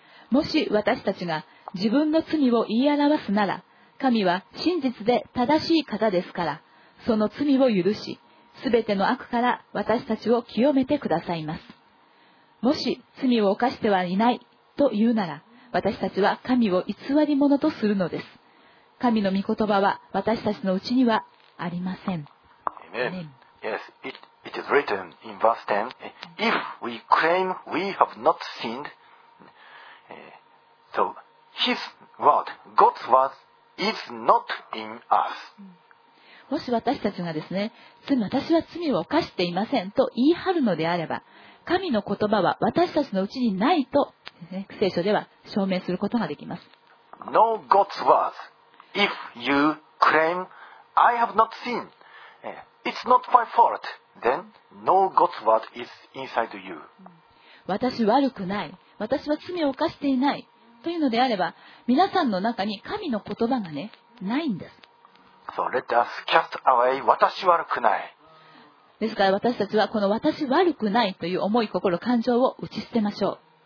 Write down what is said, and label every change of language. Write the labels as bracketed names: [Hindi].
[Japanese] もし私たちが自分の罪を言い表すなら、神は真実で正しい方ですから、その罪を許し、すべての悪から私たちを清めてくださいます。もし罪を犯してはいないというなら、私たちは神を偽り者とするのです。神の御言葉は私たちのうちにはありません。 [English] Amen. Yes, it is written in verse 10. If we claim we have not sinned, so His word, God's word, is not in us. [Japanese] もし私たちがですね、私は罪を犯していませんと言い張るのであれば、神の言葉は私たちのうちにないと聖書では証明することができます。 [English] No God's word. If you claim I have not sinned, it's not my fault. Then no God's word is inside you. [Japanese] 私悪くない。私は罪を犯していない。というのであれば、皆さんの中に神の言葉がね、ないんです。 [English] So let us cast away [Japanese] 私悪くない。ですから私たちはこの私悪くないという重い心感情を打ち捨てましょう。